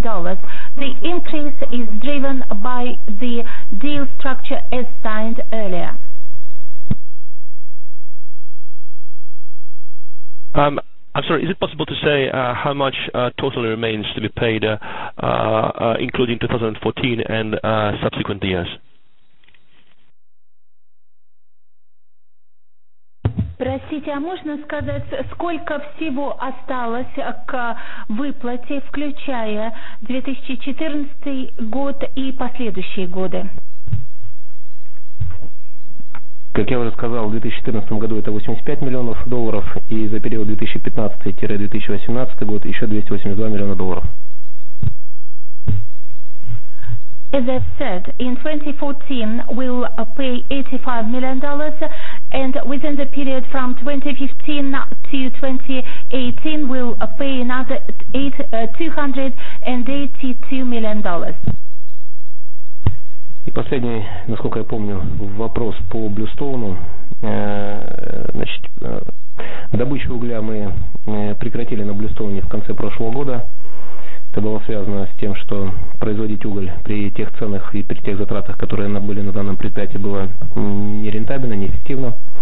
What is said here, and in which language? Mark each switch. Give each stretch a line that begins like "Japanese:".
English: The increase is driven by the deal structure as signed earlier. I'm sorry, is it possible to say how much totally remains to be paid, including 2014 and subsequent years?
Russian: Простите, а можно сказать, сколько всего осталось к выплате, включая 2014 год и последующие годы? Как я уже сказал, в 2014 году это $85 миллионов, и за период 2015-2018 год еще $282 миллиона.
English: As I said, in 2014 we'll pay $85 million, and within the period from 2015 to 2018 we'll pay another $282 million.
Russian: И последний, насколько я помню, вопрос по Блюстоуну. Значит, добычу угля мы прекратили на Блюстоуне в конце прошлого года. Это было связано с тем, что производить уголь при тех ценах и при тех затратах, которые были на данном предприятии, было нерентабельно, неэффективно.